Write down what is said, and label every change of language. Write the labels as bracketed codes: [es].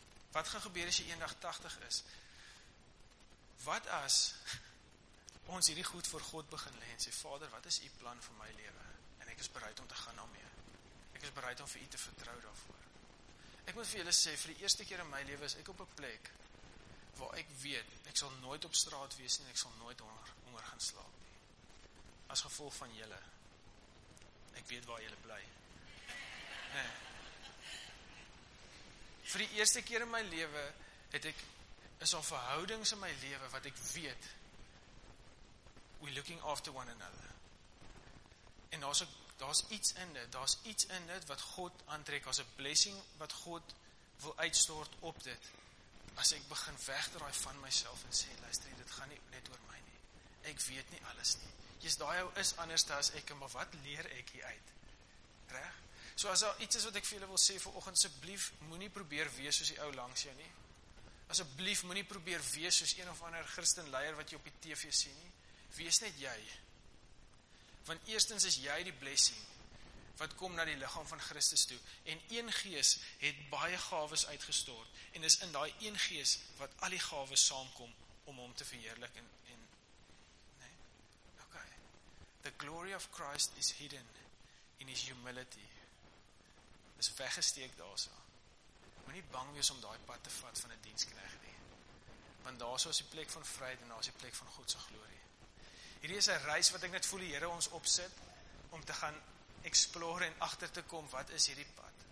[af] Wat gaan gebeur as jy eendag 80 is? Wat as ons hierdie goed voor God begin lê en sê, Vader, wat is u plan vir my lewe? En ek is bereid om te gaan daarmee. Ek is bereid om vir u te vertrou daarvoor. Ek moet vir julle sê, vir die eerste keer in my lewe is ek op 'n plek waar ek weet, ek sal nooit op straat wees en ek sal nooit honger gaan slaap. As gevolg van julle, ek weet waar julle bly. Nee. Vir die eerste keer in my lewe is al verhoudings in my lewe wat ek weet, [en] we're looking after one another. [af] En daar's iets in dit wat God aantrek, as 'n blessing wat God wil uitstort op dit. As ek begin wegdraai van myself en sê, luister, dit gaan nie net oor my nie. Ek weet nie alles nie. Jy's daai ou is anders as ek, maar wat leer ek hier uit? Reg? So as daar iets is wat ek vir julle wil sê vanoggend, asseblief moenie probeer wees soos die ou langs jou nie. Asseblief moenie probeer wees soos een of ander Christen leier wat jy op die TV sien nie. Wees net jy. Want eerstens is jy die blessing wat kom na die liggaam van Christus toe. En een gees het baie gawes uitgestort. En is in daai een gees wat al die gawes saamkom om hom te verheerlik en nee. Okay. [en] The glory of Christ is hidden in his humility. [af] Is weggesteek daarso. Moenie bang wees om daai pad te vat van 'n dienskneg nie. Want daarso is die plek van vryheid en daar is die plek van God se glorie. Hierdie is 'n reis wat ek net voel die Here ons opsit om te gaan explore en agter te kom wat is hierdie pad.